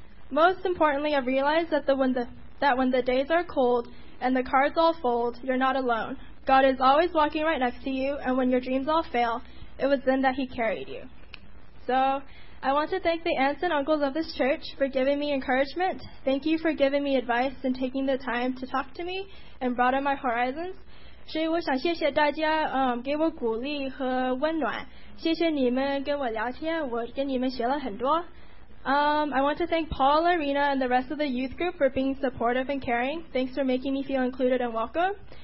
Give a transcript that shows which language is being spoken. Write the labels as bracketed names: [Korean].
[English] Most importantly, I've realized that when the days are cold and the cards all fold, you're not alone. God is always walking right next to you, and when your dreams all fail, it was then that he carried you. So I want to thank the aunts and uncles of this church for giving me encouragement. Thank you for giving me advice and taking the time to talk to me and broaden my horizons. [Chinese] 所以我想谢谢大家给我鼓励和温暖。谢谢你们跟我聊天，我跟你们学了很多。 [English] I want to thank Paul, Arena, and the rest of the youth group for being supportive and caring. Thanks for making me feel included and welcome.